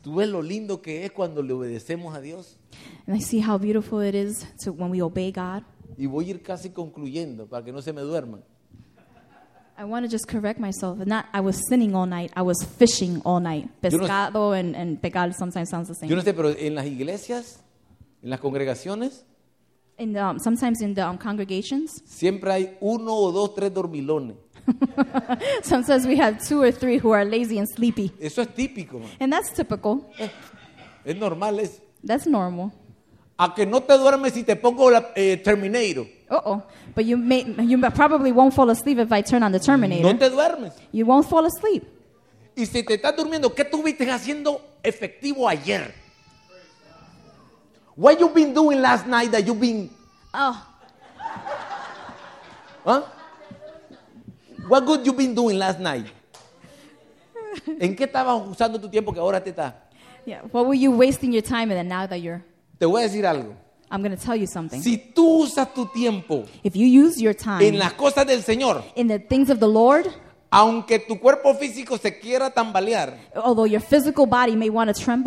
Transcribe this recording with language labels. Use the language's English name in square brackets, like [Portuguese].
[Spanish] ¿Tú ves lo lindo que es cuando le obedecemos a Dios? [English] And I see how beautiful it is to when we obey God. [Spanish] Y voy a ir casi concluyendo para que no se me duerman. [English] I want to just correct myself. Not I was sinning all night. I was fishing all night. Pescado and pecar sometimes sounds the same. [Spanish] Yo no sé, pero en las iglesias, en las congregaciones. [English] Sometimes in the congregations. [Spanish] Siempre hay uno o dos, tres dormilones. [English] Sometimes we have two or three who are lazy and sleepy. [Spanish] Eso es típico. [English] And that's typical. [Spanish] Es normal. [English] That's normal. [Spanish] A que no te duermes si te pongo la Terminator. [English] But you probably won't fall asleep if I turn on the Terminator. [Spanish] No te duermes. [English] You won't fall asleep. [Spanish] Y si te estás durmiendo, ¿qué estuviste haciendo efectivo ayer? [English] What you been doing last night that you been? Oh. Huh? What good you been doing last night? [Spanish] ¿En qué estabas usando tu tiempo que ahora te está? Yeah. [English] What were you wasting your time in and now that you're? [Spanish] Te voy a decir algo. [English] I'm going to tell you something. [Spanish] Si tú usas tu tiempo. [English] If you use your time. [Spanish] En las cosas del Señor. [English] In the things of the Lord. [Spanish] Aunque tu cuerpo físico se quiera tambalear. [English] Although your physical body may want to tremble.